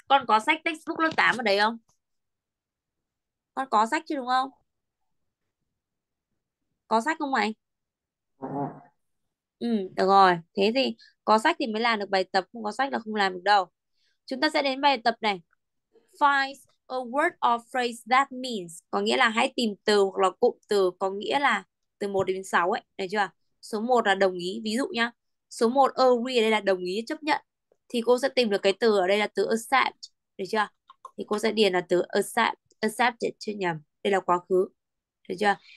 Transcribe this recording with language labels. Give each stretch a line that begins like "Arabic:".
Vietnamese: Con có sách textbook lớp 8 ở đấy không? Con có sách chứ đúng không? Có sách không mày? Ừ, được rồi. Thế thì có sách thì mới làm được bài tập, không có sách là không làm được đâu. Chúng ta sẽ đến bài tập này.
English: Find a word or phrase that means.
Vietnamese: Có nghĩa là hãy tìm từ hoặc là cụm từ có nghĩa là từ 1 đến 6 ấy, được chưa? Số 1 là đồng ý, ví dụ nhá. Số 1 agree đây là đồng ý, chấp nhận. Thì cô sẽ tìm được cái từ ở đây là từ accept, được chưa? Thì cô sẽ điền là từ accept, accepted chứ nhầm. Đây là quá khứ. Được chưa?